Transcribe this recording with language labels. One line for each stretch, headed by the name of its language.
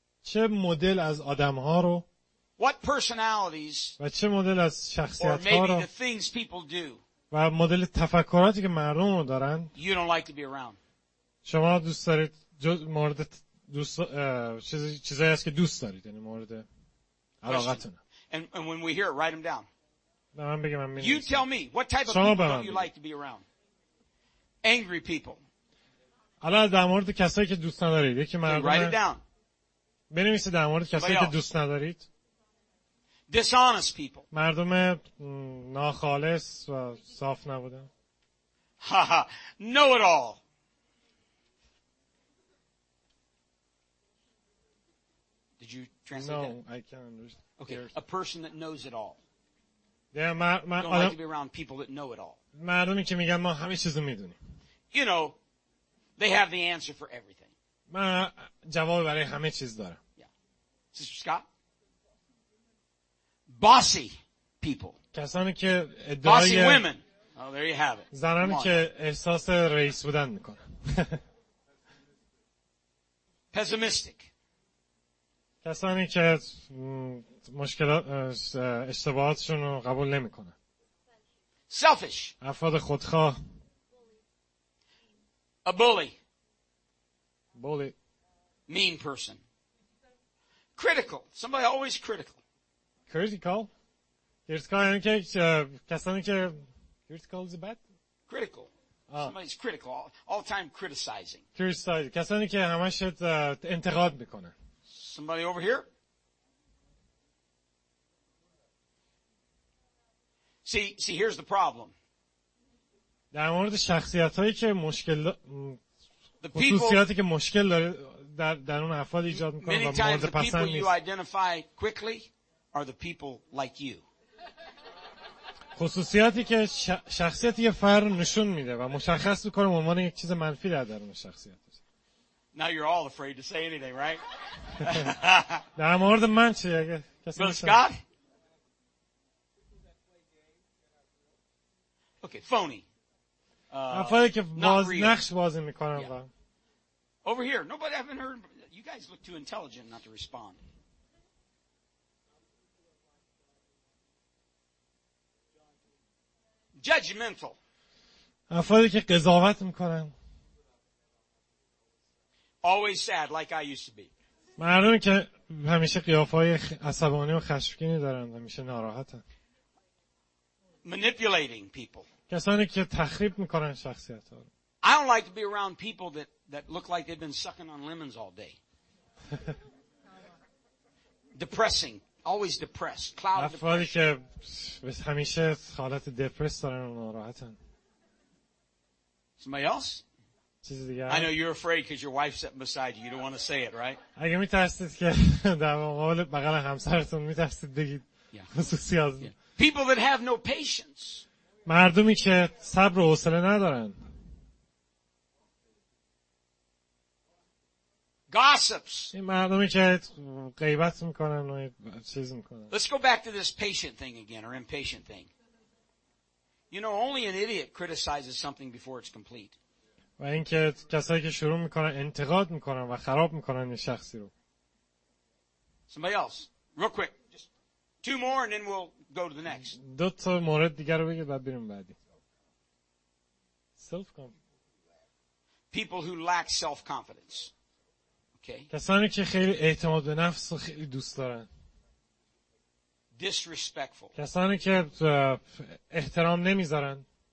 Persian: چه مدل از آدمها رو.
English: What personalities.
Persian: و چه مدل از شخصیتها رو.
English: Or maybe the things people do.
Persian: و مدل تفکراتی که مردم رو دارن.
English: You don't like to be around.
Persian: شما دوست دارید مورد دوست چیزایی هست که دوست دارید. یعنی مورد علاقتونه.
English: And when we hear it, write them down. No, I'm beginning. I'm you tell me, what type of people do you like to be around? Angry people.
Persian: حالا در مورد کسایی که دوست ندارید. یکی مردم.
English: Write it down.
Persian: بنویسید در مورد کسایی که دوست ندارید.
English: Dishonest people.
Persian: مردم ناخالص و صاف نبودن.
English: Haha, know it all. Did you translate no, that? No, I can't understand. Okay, a person that knows it all. Yeah, ma, ma, don't like to be around people that know it all.
Persian: مردمی که میگن ما همه چیزو میدونیم.
English: You know, they have the answer for everything.
Persian: ما جواب برای همه چیز دارم.
English: Yeah. Sister Scott? Bossy people.
Persian: کسانی که
English: ادعای... Bossy women. Oh, there you have it.
Persian: زنانی که احساس رئیس بودن میکنن.
English: pessimistic.
Persian: کسانی که مشکلات اشتباهاتشون رو قبول نمی‌کنن.
English: Selfish.
Persian: افراد خودخواه.
English: A bully. Bully. Mean person. Critical. Somebody always critical. Critical. Critical is bad. Critical. Somebody's critical. All time criticizing. Criticize.
Persian: کسانی که همش انتقاد میکنه.
English: Somebody over here? See, here's the problem.
Persian: در مورد شخصیتایی که مشکل خصوصیاتی که مشکل داره در درون افراد ایجاد میکنه و مورد پسند نیست.
English: Many times the people you identify quickly are the people like you.
Persian: خصوصیاتی که شخصیت یه فرد نشون میده و مشخص میکنه به عنوان یک چیز منفی در درون شخصیتش.
English: Now you're all afraid to say anything, right?
Persian: در مورد من چه کسی
English: میشه؟ Okay, phony. Over here, nobody. I haven't heard. You guys look too intelligent not to respond. Judgmental.
Persian: افرادی که قضاوت میکنن.
English: Always sad, like I used to be.
Persian: معلومه که همیشه قیافه‌ای عصبانی و خشمگینی دارن و همیشه ناراحتن.
English: Manipulating people.
Persian: کسانی که تخریب میکنن شخصیت ها.
English: I don't like to be around people that look like they've been sucking on lemons all day. Depressing, always depressed, cloud
Persian: افرادی که همیشه حالت دپرس دارن و ناراحتن.
English: Somebody else?
Persian: چیزی دیگه.
English: I know you're afraid because your wife's sitting beside you. You don't want to say it, right?
Persian: اگه میترسید که در مقابل بغل همسرتون میترسید بگید. خصوصیات.
English: People that have no patience.
Persian: مردمی که صبر و حوصله ندارن.
English: Gossips.
Persian: این مردمی که غیبت میکنن و چیز میکنن.
English: Let's go back to this patient thing again, or impatient thing. You know, only an idiot criticizes something before it's complete.
Persian: و اینکه کسایی که شروع میکنن انتقاد میکنن و خراب میکنن یه شخصی رو.
English: Somebody else. Real quick. Just two more and then we'll go to the next.
Persian: دو تا مورد دیگر رو بگید و بریم بعدی.
English: Self-confidence. People who lack self-confidence.
Persian: کسانی که خیلی اعتماد به نفس رو خیلی دوست دارن.
English: Disrespectful.
Persian: کسانی که احترام نمیذارن.